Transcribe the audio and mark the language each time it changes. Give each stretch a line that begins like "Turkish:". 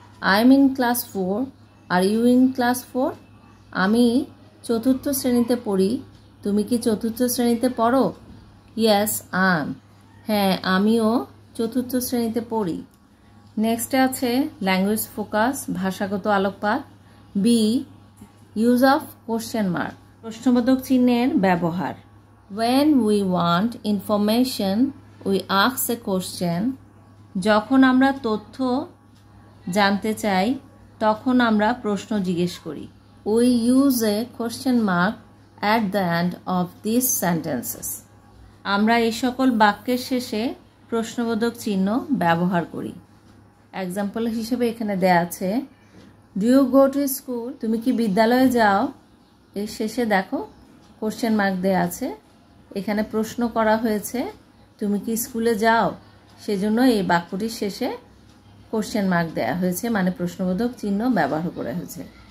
English: I am in class four, are you in class four?
Bangla: আমি চতুর্থ শ্রেণীতে পড়ি, তুমি কি চতুর্থ শ্রেণীতে পড়ো?
English: yes I am,
Bangla: হ্যাঁ আমিও চতুর্থ শ্রেণীতে পড়ি। নেক্সটে আছে ল্যাঙ্গুয়েজ ফোকাস, ভাষাগত আলোকপাত। B
English: use of question mark,
Bangla: প্রশ্নবোধক চিহ্নের ব্যবহার।
English: When we want information, we ask a question.
Bangla: যখন আমরা তথ্য জানতে চাই তখন আমরা প্রশ্ন জিজ্ঞেস করি।
English: We use a question mark at the end of these sentences.
Bangla: আমরা এই সকল বাক্যের শেষে প্রশ্নবোধক চিহ্ন ব্যবহার করি। এক্সাম্পল হিসেবে এখানে দেয়া আছে,
English: do you go to school,
Bangla: তুমি কি বিদ্যালয়ে যাও, এর শেষে দেখো কোশ্চেন মার্ক দেয়া আছে। এখানে প্রশ্ন করা হয়েছে তুমি কি স্কুলে যাও, সেজন্য এই বাক্যটির শেষে কোশ্চেন মার্ক দেয়া হয়েছে, মানে প্রশ্নবোধক চিহ্ন ব্যবহার করা হয়েছে।